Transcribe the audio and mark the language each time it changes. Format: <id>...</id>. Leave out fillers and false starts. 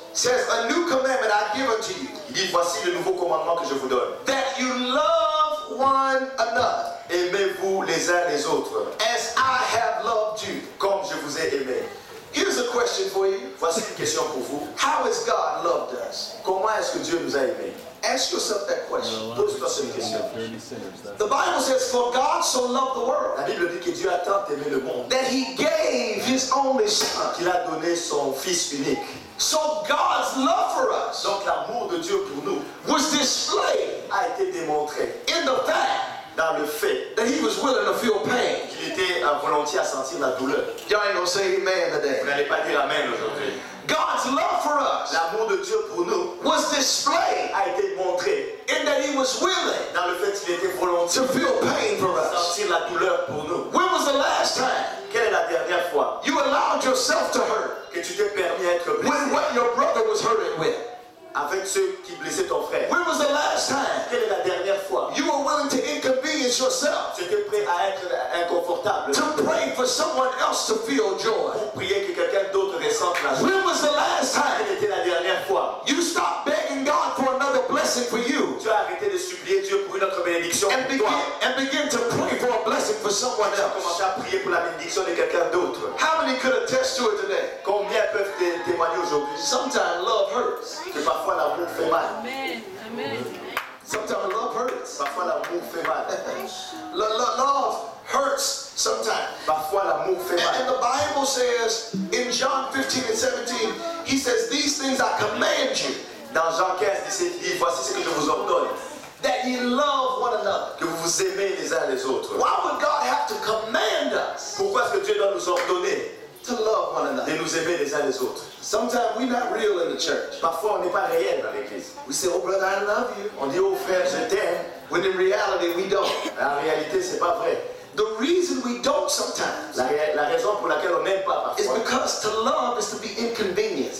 <en>Says a new commandment I give unto you.</en> <fr>Il dit voici le nouveau commandement que je vous donne.</fr> <en>That you love one another.</en> <fr>Aimez-vous les uns les autres.</fr> <en>As I have loved you.</en> <fr>Comme je vous ai aimé.</fr> <en>Here's a question for you.</en> <fr>Voici une question pour vous.</fr> <en>How has God loved us?</en> <fr>Comment est-ce que Dieu nous a aimés?</fr> <en>Ask yourself that question.</en> <fr>Pose-toi cette question.</fr> <en>The Bible says, "For God so loved the world."</en> <fr>La Bible dit que Dieu a tant aimé le monde.</fr> <en>That He gave His only Son.</en> <fr>Qu'il a donné son Fils unique.</fr> <en>So God's love for us.</en> <fr>Donc l'amour de Dieu pour nous.</fr> <en>Was displayed.</en> <fr>A été démontré.</fr> <en>In the fact.</en> <fr>Dans le fait</fr> <en>that he was willing to feel pain.</en> <fr>Qu'il était à volontiers à sentir la douleur.</fr> <en>Y'all ain't gonna say amen today.</en> <fr>Vous n'allez pas dire amen aujourd'hui.</fr> <en>God's love for us.</en> <fr>L'amour de Dieu pour nous.</fr> <en>Was displayed.</en> <fr>A été montré.</fr> <en>In that he was willing.</en> <fr>Dans le fait qu'il était volontiers.</fr> <en>To feel pain for us.</en> <fr>Sentir la douleur pour nous.</fr> <en>When was the last time?</en> <fr>Quelle est la dernière fois?</fr> <en>You allowed yourself to hurt.</en> <fr>Que tu t'es permis être blessé.</fr> <en>When what your brother was hurting with.</en> <fr>Avec ceux qui blessaient ton frère.</fr> <en>When was the last time?</en> <fr>Quelle est la dernière fois?</fr> <en>You were willing to inconvenience yourself.</en> <fr>Tu étais prêt à être inconfortable.</fr> <en>To pray for someone else to feel joy.</en> <fr>Pour prier que quelqu'un d'autre ressente la joie.</fr> <en>When was the last time?</en> <fr>Quelle était la dernière fois?</fr> <en>You stopped begging God for another blessing for you.</en> <fr>Tu as arrêté de supplier Dieu pour une autre bénédiction</fr> <en>and</en> <fr>pour toi.</fr> <en>And begin to pray for a blessing for someone else.</en> <fr>Tu as commencé à prier pour la bénédiction de quelqu'un d'autre.</fr> <en>How many could attest to it today?</en> <fr>Combien peuvent témoigner aujourd'hui?</fr> <en>Sometimes love hurts. Sometimes love hurts.</en> <fr>Parfois l'amour fait mal.</fr> <en>Love hurts sometimes.</en> <fr>Parfois l'amour fait mal.</fr> <en>And the Bible says in John 15 and 17, He says, "These things I command you."</en> <fr>Dans Jean 15, 17, il dit, voici ce que je vous ordonne.</fr> <en>That you love one another.</en> <fr>Que vous vous aimez les uns les autres.</fr> <en>Why would God have to command us?</en> <fr>Pourquoi est-ce que Dieu doit nous ordonner?</fr> <en>To love one another.</en> <fr>De nous aimer les uns les autres.</fr> <en>Sometimes we're not real in the church.</en> <fr>Parfois on n'est pas réel dans l'église.</fr> <en>We say, "Oh brother, I love you."</en> <fr>On dit, "Oh frère, je t'aime."</fr> <en>When in reality we don't.</en> <fr>La réalité c'est pas vrai.</fr> <en>The reason we don't sometimes.</en> <fr>La raison pour laquelle on n'aime pas parfois.</fr> <en>Is because to love is to be inconvenienced.</en>